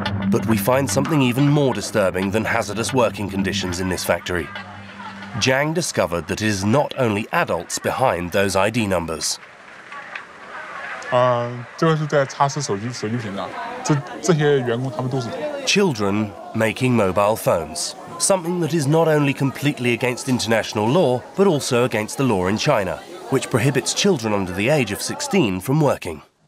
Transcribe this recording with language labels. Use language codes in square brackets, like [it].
[en] But we find something even more disturbing than hazardous working conditions in this factory. Jiang discovered that it is not only adults behind those ID numbers. [zh] 这是在擦拭手机屏的，这些员工他们都是。 [en] Children making mobile phones. Something that is not only completely against international law, but also against the law in China, which prohibits children under the age of 16 from working.